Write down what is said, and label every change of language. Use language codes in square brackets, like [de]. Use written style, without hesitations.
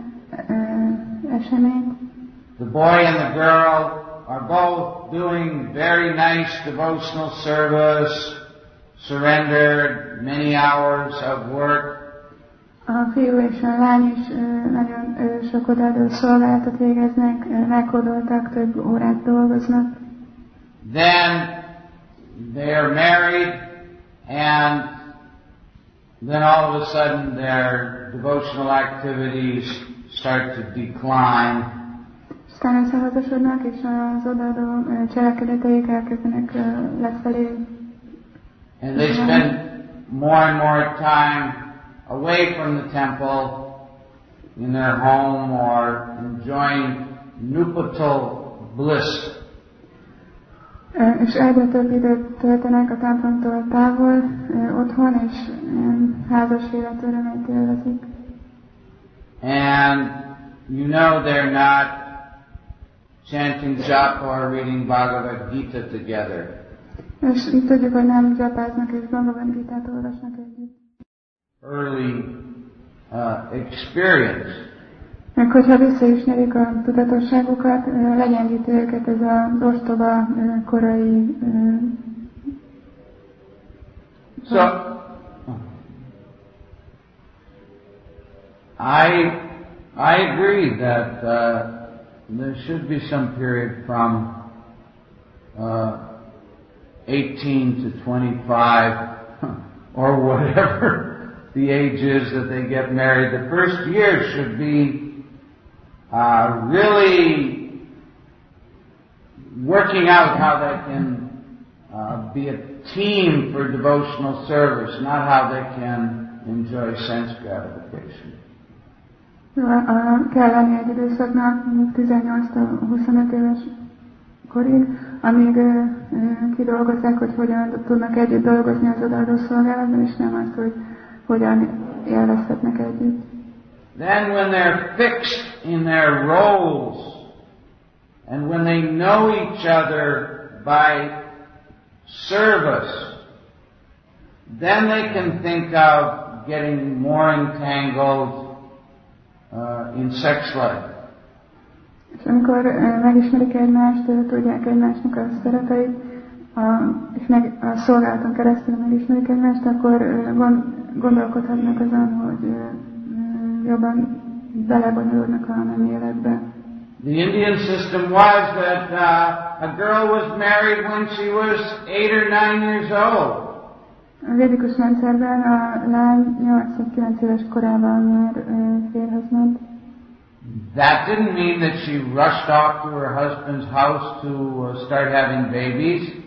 [en] The boy and the girl are both doing very nice devotional service, surrendered many hours of work. [hu] A fiú és a lány is nagyon sok odaadó szolgálatot végeznek, meghódoltak, több órát dolgoznak. [en] Then they are married, and then all of a sudden their devotional activities start to decline. [hu] Aztán összeházasodnak, és az odaadó cselekedeteik elkezdenek lefelé. [en] And they spend more and more time away from the temple, in their home, or enjoying nuptial bliss. [hu] És egyre több időt töltenek a templomtól távol, otthon, és házas élet örömét élvezik. [en] And you know they're not chanting japa or reading Bhagavad Gita together. [hu] És tudjuk, hogy nem japáznak és Bhagavad Gita-t olvasnak együtt. [en] Early experience. [hu] Mert hogyha vissza is nyerik a tudatosságukat, legyengíti őket ez az ostoba korai. [en] So, I agree that there should be some period from 18 to 25 or whatever the age is that they get married. The first year should be really working out how they can be a team for devotional service, not how they can enjoy sense gratification. [hu] Kell lenni egy időszaknak 18-25 éves korig, amíg kidolgozzák, hogy hogyan tudnak együtt dolgozni az odaadó szolgálatban, és nem azt, hogy hogyan élvezhetnek együtt. [en] Then when they're fixed in their roles, and when they know each other by service, then they can think of getting more entangled in sex life. [hu] És amikor megismerik egymást, tudják egymásnak a szerepeit, és meg a szolgálaton keresztül megismerik egymást, akkor gondolkodhatnak azon, hogy jobban belebonyolódnak a nem életbe. [en] The Indian system was that a girl was married when she was 8 or 9 years old. [hu] A védikus rendszerben a lány 8-9 éves korában már férhez ment. [en] That didn't mean that she rushed off to her husband's house to start having babies.